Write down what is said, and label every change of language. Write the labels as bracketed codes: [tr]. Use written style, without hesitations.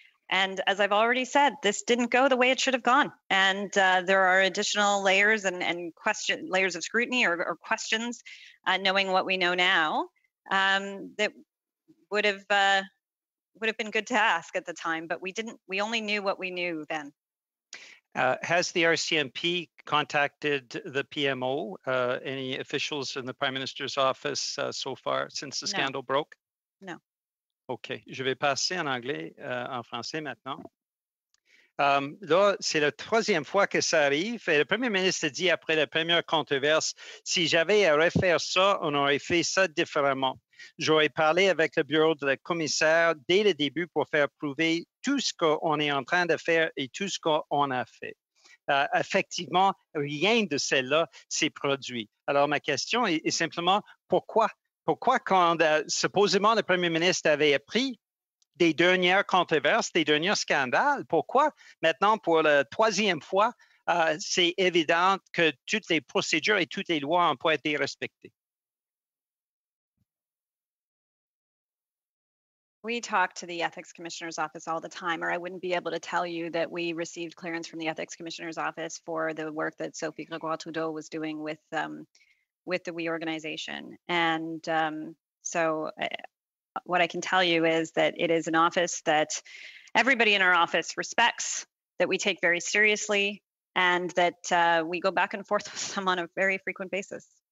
[en] And as I've already said, this didn't go the way it should have gone, and there are additional layers and layers of scrutiny or questions, knowing what we know now, that would have been good to ask at the time, but we didn't. We only knew what we knew then. Has the RCMP contacted the PMO, any officials in the Prime Minister's office so far since the scandal broke? No. Okay. [fr] Je vais passer en anglais, en français maintenant. Là, c'est la troisième fois que ça arrive. Et le Premier ministre dit après la première controverse, si j'avais à refaire ça, on aurait fait ça différemment. J'aurais parlé avec le bureau de la commissaire dès le début pour faire prouver tout ce qu'on est en train de faire et tout ce qu'on a fait. Effectivement, rien de cela s'est produit. Alors, ma question est simplement, pourquoi? Pourquoi quand supposément le premier ministre avait appris des dernières controverses, des derniers scandales, pourquoi maintenant, pour la troisième fois, c'est évident que toutes les procédures et toutes les lois n'ont pas été respectées? [en] We talk to the Ethics Commissioner's Office all the time, or I wouldn't be able to tell you that we received clearance from the Ethics Commissioner's Office for the work that Sophie Grégoire Trudeau was doing with the WE organization. And what I can tell you is that it is an office that everybody in our office respects, that we take very seriously, and that we go back and forth with them on a very frequent basis.